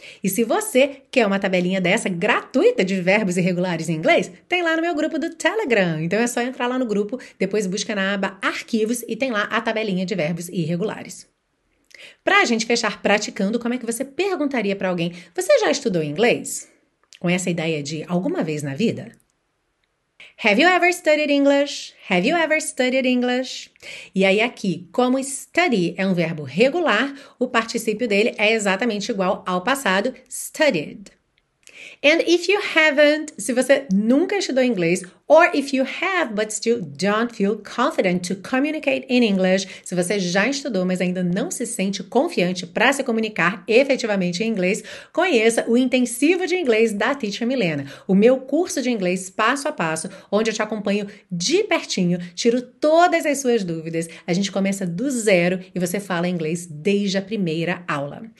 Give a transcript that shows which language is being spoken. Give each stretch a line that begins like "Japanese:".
Portuguese: E se você quer uma tabelinha dessa, gratuita, de verbos irregulares em inglês, tem lá no meu grupo do Telegram. Então é só entrar lá no grupo, depois busca na aba Arquivos e tem lá a tabelinha de verbos irregulares. Para a gente fechar praticando, como é que você perguntaria para alguém: você já estudou inglês? Com essa ideia de alguma vez na vida?
English: Have you ever studied English? Have you ever studied English?
Portuguese: E aí, aqui, como study é um verbo regular, o particípio dele é exatamente igual ao passado, studied.
English: And if you haven't,
Portuguese: se você nunca estudou inglês,
English: or if you have, but still don't feel confident to communicate in English,
Portuguese: se você já estudou, mas ainda não se sente confiante para se comunicar efetivamente em inglês, conheça o Intensivo de Inglês da Teacher Milena, o meu curso de inglês passo a passo, onde eu te acompanho de pertinho, tiro todas as suas dúvidas, a gente começa do zero e você fala inglês desde a primeira aula.